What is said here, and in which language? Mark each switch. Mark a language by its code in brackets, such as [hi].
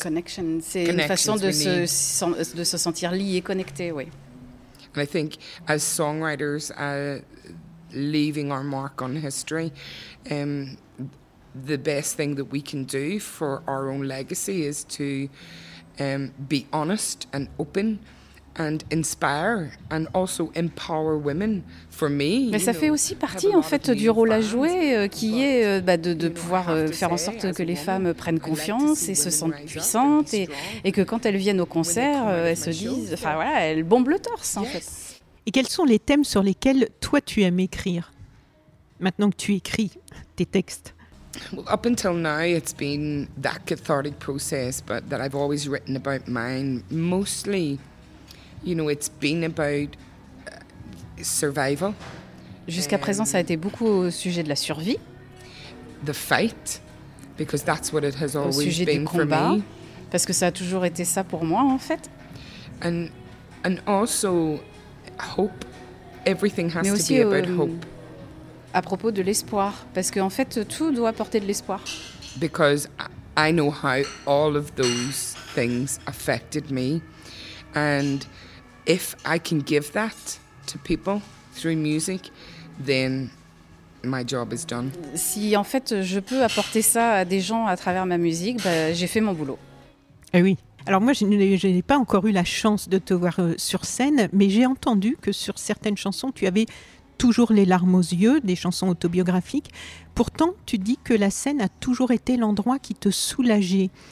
[fr] Connection, c'est une façon de se sentir lié, connecté, oui. [en] And I think as songwriters, leaving our mark on history, the best thing that we can do for our own legacy is to be honest and open and inspire and also empower women. For me, [fr] mais ça fait aussi partie en fait du rôle à jouer qui est de pouvoir faire en sorte que les femmes prennent confiance et se sentent puissantes et que quand elles viennent au concert elles se disent, enfin voilà, elles bombent le torse en fait. Et quels sont les thèmes sur lesquels toi tu aimes écrire maintenant que tu écris tes textes? [en] Well, up until now, it's been that cathartic process, but that I've always written about mine. Mostly, you know, it's been about survival. [fr] Jusqu'à présent, ça a été beaucoup au sujet de la survie. [en] The fight, because that's what it has always for me. [fr] Au sujet du combat, parce que ça a toujours été ça pour moi, en fait. [en] And also hope. Everything has to be about hope. [fr] À propos de l'espoir, parce que en fait, tout doit porter de l'espoir. [en] Because I know how all of those things affected me, and if I can give that to people through music, then my job is done. [fr] Si en fait je peux apporter ça à des gens à travers ma musique, bah, j'ai fait mon boulot. Eh oui. Alors moi, je n'ai pas encore eu la chance de te voir sur scène, mais j'ai entendu que sur certaines chansons, tu avais toujours les larmes aux yeux, des chansons autobiographiques. Pourtant, tu dis que la scène a toujours été l'endroit qui te soulageait.